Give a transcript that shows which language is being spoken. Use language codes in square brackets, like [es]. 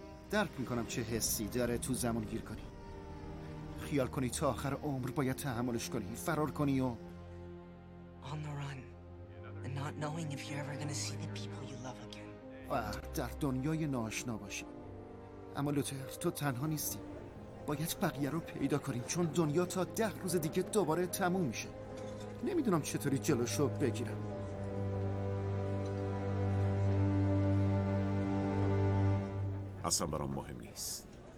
[fa] درک میکنم چه حسی داره تو زمان گیر کنی. خیال کنی تا آخر عمر باید تحملش کنی. فرار کنی و [en] on the run and not knowing if you're ever gonna see the people you love again. [fa] در دنیای ناآشنا باشی. اما لوتر تو تنها نیستی. باید بقیه رو پیدا کنیم چون دنیا تا 10 روز دیگه دوباره تموم میشه. نمیدونم چطوری جلوشو بگیرم. اصلا برام مهم نیست.